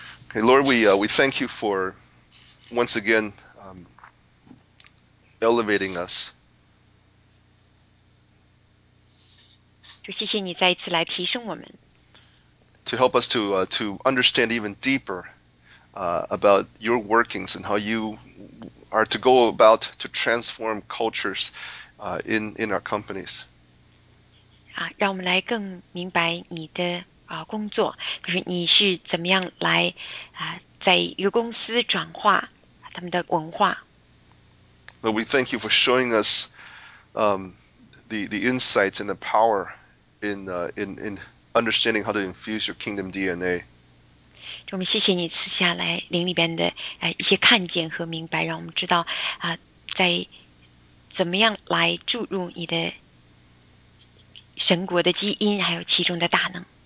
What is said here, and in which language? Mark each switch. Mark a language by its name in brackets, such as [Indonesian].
[English] Okay, Lord, we thank you for once again elevating us. [Chinese] 谢谢你再一次来提升我们。 [English] To help us to understand even deeper about your workings and how you are to go about to transform cultures in our companies. [Chinese] 啊，让我们来更明白你的工作，就是你是怎么样来在一个公司转化他们的文化。 [English] Lord, we thank you for showing us the insights and the power. In understanding how to infuse your kingdom DNA. [Chinese] 我们谢谢你赐下来灵里边的一些看见和明白，让我们知道在怎么样来注入你的神国的基因，还有其中的大能。